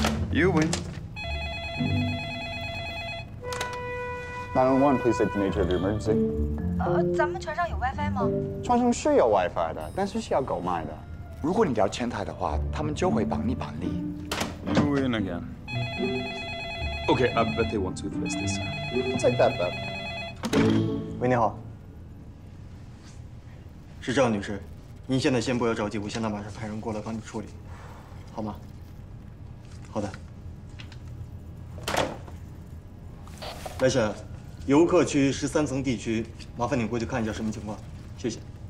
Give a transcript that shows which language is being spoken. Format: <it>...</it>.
<en>You win. 911, please state the nature of your emergency.</en> <zh>咱们船上有 WiFi 吗？船上是有 WiFi 的，但是是要购买的。如果你聊前台的话，他们就会帮你办理。</zh> <en>You win again. Okay, I bet they want to fix this. Take that bet.</en> <zh>喂，你好。是赵女士，您现在先不要着急，我现在马上派人过来帮你处理，好吗？好的，来生，游客区13层地区，麻烦你过去看一下什么情况，谢谢。</zh>